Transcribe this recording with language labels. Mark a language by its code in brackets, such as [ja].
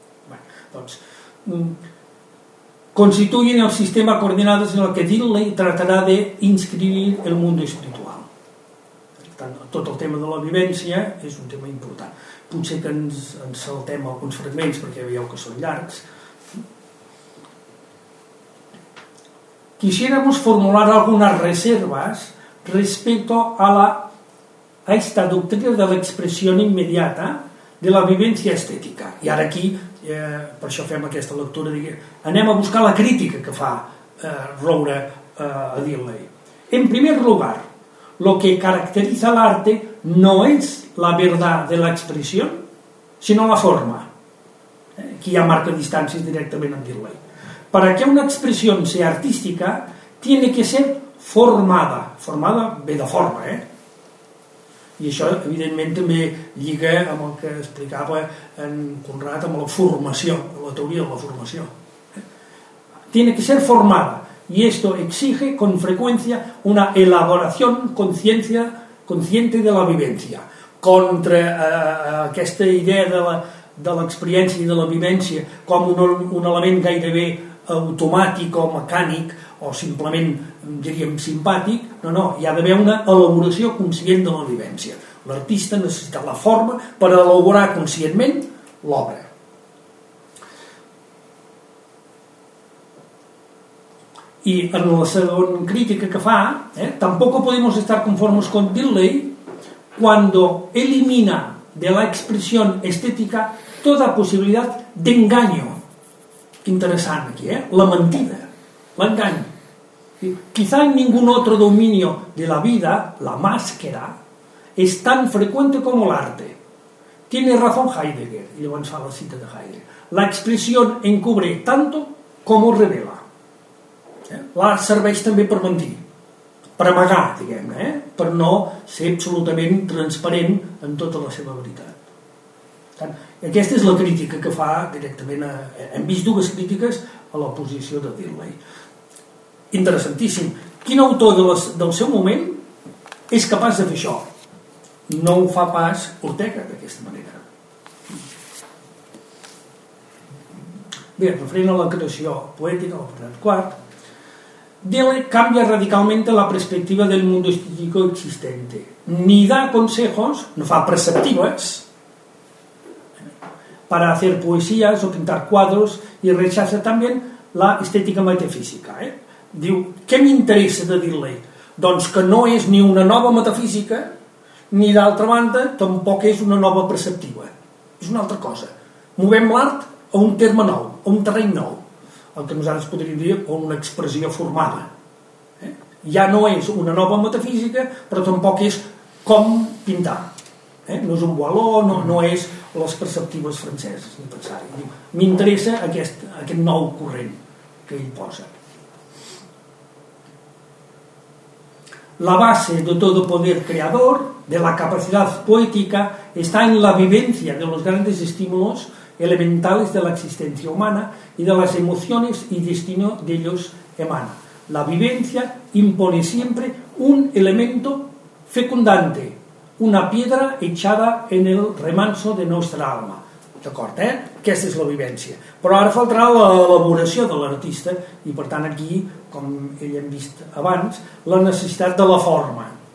[ca] Bé, doncs, [es] constituyen [ca] el sistema coordinades en el que Dilley tractarà d'inscriure el món espiritual. Per tant, tot el tema de la vivència és un tema important. Potser que ens saltem alguns fragments perquè veieu que són llargs. [es] Quisiéramos formular algunas reservas respecto a esta doctrina de la expresión inmediata de la vivencia estética. [ca] I ara aquí, per això fem aquesta lectura, anem a buscar la crítica que fa Roure a Dilley. [es] En primer lugar, lo que caracteriza el arte no es la verdad de la expresión, sino la forma. Aquí ya marca distancias directamente en Dilley. Para que una expresión sea artística, tiene que ser formada. [ca] Formada ve de forma, I això, evidentment, també lliga amb el que explicava en Conrad amb la formació, la teoria de la formació. [es] Tiene que ser formada. Y esto exige, con frecuencia, una elaboración consciente de la vivencia. [ca] Contra aquesta idea de l'experiència i de la vivència com un element gairebé automàtic o mecànic o simplement, diríem, simpàtic, no, hi ha d'haver una elaboració conscient de la vivència. L'artista necessita la forma per elaborar conscientment l'obra. I I en la segona crítica que fa, [es] tampoco podemos estar conformes con Dilley cuando elimina de la expresión estética toda posibilidad de engaño. [ca] Interessant aquí, la mentida, l'engany. [es] Quizá en ningún otro dominio de la vida, la máscara, es tan frecuente como el arte. Tiene razón Heidegger, y [ca] llavors fa la cita de Heidegger. [es] La expresión encubre tanto como revela. [ca] La serveix també per mentir, per amagar, diguem, per no ser absolutament transparent en tota la seva veritat. Aquesta és la crítica que fa directament a... Hem vist dues crítiques a la posició de Dilley. Interessantíssim. Quin autor de del seu moment és capaç de fer això? No ho fa pas Ortega d'aquesta manera. Bé, referent a la creació poètica, la part quart, Dilley canvia radicalment la perspectiva [es] del mundo estético existente. Ni da consejos, [ca] no fa preceptives, [es] para hacer poesías o pintar cuadros, y rechaza también la estética metafísica. [ca] Diu, què m'interessa de Dilley? Doncs que no és ni una nova metafísica, ni d'altra banda, tampoc és una nova perceptiva. És una altra cosa. Movem l'art a un terme nou, a un terreny nou, el que nosaltres podríem dir a una expressió formada. Ja no és una nova metafísica, però tampoc és com pintar. No és un boaló, no és les perceptives franceses, ni pensar. M'interessa aquest nou corrent que ell posa. [es] La base de todo poder creador, de la capacidad poética, está en la vivencia de los grandes estímulos elementales de la existencia humana y de las emociones y destino de ellos emana. La vivencia impone siempre un elemento fecundante, una piedra echada en el remanso de nuestra alma. [ca] D'acord, Aquesta és la vivència. Però ara faltarà l'elaboració de l'artista, i per tant aquí, com ell hem vist abans, la necessitat de la forma.